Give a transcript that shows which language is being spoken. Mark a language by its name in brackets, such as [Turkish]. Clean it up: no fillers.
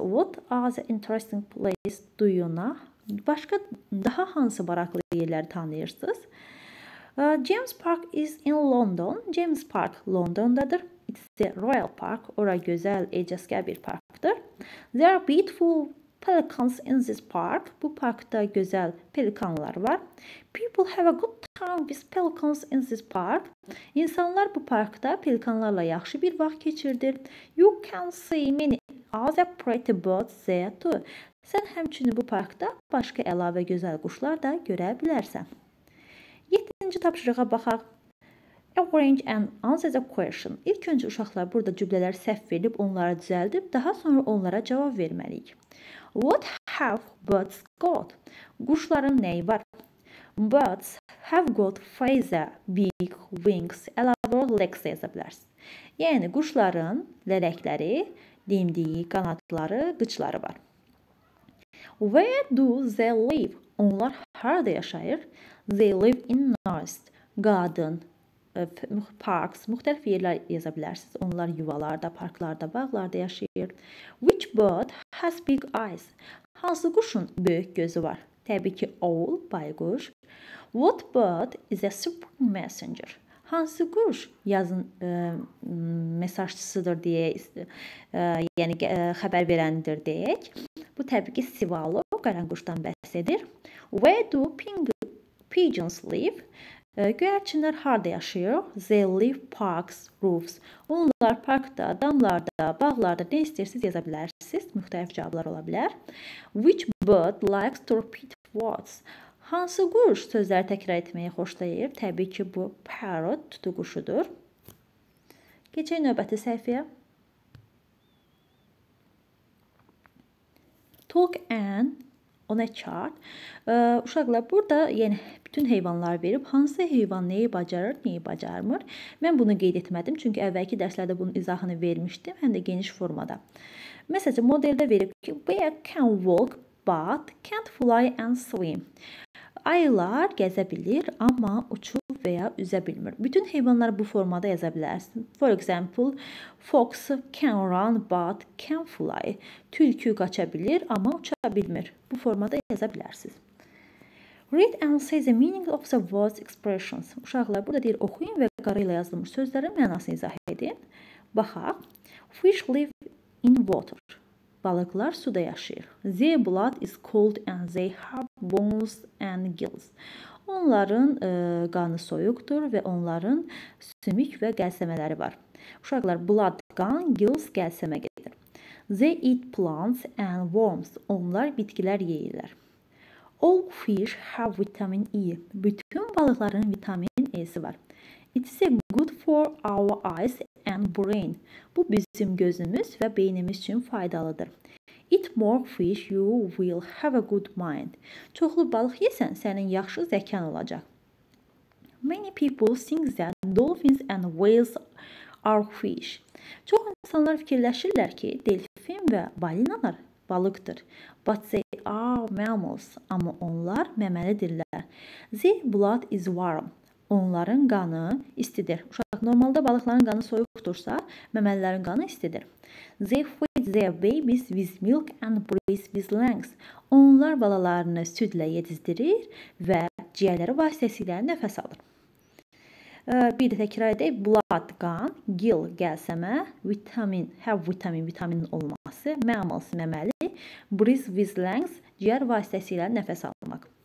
[English] What other interesting places do you know? [Azerbaijani] Başqa daha hansı maraqlı yerləri tanıyırsınız? [English] James Park is in London. [Azerbaijani] James Park Londondadır. [English] It's the Royal Park. [Azerbaijani] Ora gözəl, ecazkar bir parkdır. [English] There are beautiful pelicans in this park. [Azerbaijani] Bu parkda gözəl pelikanlar var. [English] People have a good time with pelicans in this park. [Azerbaijani] İnsanlar bu parkda pelikanlarla yaxşı bir vaxt keçirdir. [English] You can see many other pretty birds there too. [Azerbaijani] Sən həmçinin bu parkda başqa əlavə gözəl quşlar da görə bilərsən. 7-ci tapşırığa baxaq. [English] Arrange and answer the question. [Azerbaijani] İlk öncə uşaqlar burada cümlələr səhv verib, onları düzəldib, daha sonra onlara cavab verməliyik. [English] What have birds got? [Azerbaijani] Quşların nəyi var? [English] Birds have got feather, beak, wings, [Azerbaijani] əlavə [English] legs [Azerbaijani] yaza bilərsiniz. Yəni, quşların lələkləri, dimdiyi, qanadları, qıçları var. [English] Where do they live? [Azerbaijani] Onlar harada yaşayır? [English] They live in nest, garden, parks, [Azerbaijani] müxtəlif yerlər yaza bilərsiniz. Onlar yuvalarda, parklarda, bağlarda yaşayır. [English] Which bird has big eyes? [Azerbaijani] Hansı quşun böyük gözü var? Təbii ki, owl, bayquş. [English] What bird is a spring messenger? [Azerbaijani] Hansı quş yazın mesajçısıdır deyə, yəni xəbər verəndir deyək. Bu, təbii ki, sivalı, qaranquşdan bəhs edir. [English] Where do pigeons live? [Azerbaijani] Göyərçinlər harada yaşayır? [English] They live parks, roofs. [Azerbaijani] Onlar parkda, damlarda, bağlarda nə istəyirsiniz yaza bilərsiniz. Müxtəlif cavablar ola bilər. [English] Which bird likes to repeat words? [Azerbaijani] Hansı quş sözləri təkrar etməyi xoşlayır? Təbii ki, bu parrot tutuquşudur. Keçək növbəti səhifəyə. [English] Talk and on a chart. [Azerbaijani] Uşaqlar, burada yəni bütün heyvanlar verib, hansı heyvan neyi bacarır, neyi bacarmır. Mən bunu qeyd etmədim, çünki əvvəlki dərslərdə bunun izahını vermişdim, həm də geniş formada. Məsələn, modeldə verib ki, [English] bear can walk, but can't fly and swim. [Azerbaijani] Ayılar gəzə bilir, amma uçub və ya üzə bilmir. Bütün heyvanları bu formada yaza bilərsin. [English] For example, fox can run, but can fly. [Azerbaijani] Tülkü qaça bilir, amma uça bilmir. Bu formada yaza bilərsiniz. [English] Read and say the meaning of the words expressions. [Azerbaijani] Uşaqlar, burada deyir, oxuyun və qarayla yazılmış sözlərin mənasını izah edin. Baxaq. [English] Fish live in water. [Azerbaijani] Balıqlar suda yaşayır. [English] Their blood is cold and they have bones and gills. [Azerbaijani] Onların qanı soyuqdur və onların sümük və qəlsəmələri var. Uşaqlar, blood, qan, gills, qəlsəmə gedir. [English] They eat plants and worms. [Azerbaijani] Onlar bitkilər yeyirlər. [English] All fish have vitamin E. [Azerbaijani] Bütün balıqların vitamin E-si var. [English] It is good for our eyes and brain. [Azerbaijani] Bu bizim gözümüz və beynimiz üçün faydalıdır. [English] Eat more fish, you will have a good mind. [Azerbaijani] Çoxlu balıq yesən, sənin yaxşı zəkan olacaq. [English] Many people think that dolphins and whales are fish. [Azerbaijani] Çox insanlar fikirləşirlər ki, delfin və balinalar balıqdır. [English] But they are mammals. [Azerbaijani] Amma onlar məməlidirlər. [English] Their blood is warm. [Azerbaijani] Onların qanı istidir. Uşaq, normalda balıqların qanı soyuqdursa, məməlilərin qanı istidir. [English] They feed their babies with milk and breathe with lungs. [Azerbaijani] Onlar balalarını südlə yedizdirir və ciyərləri vasitəsilə nəfəs alır. Bir də təkrar edək, blood, qan, gill, qəlsəmə, vitamin, have vitamin, vitaminin olması, mammals, məməli, [English] breathe with lungs, [Azerbaijani] ciyər vasitəsilə nəfəs almaq.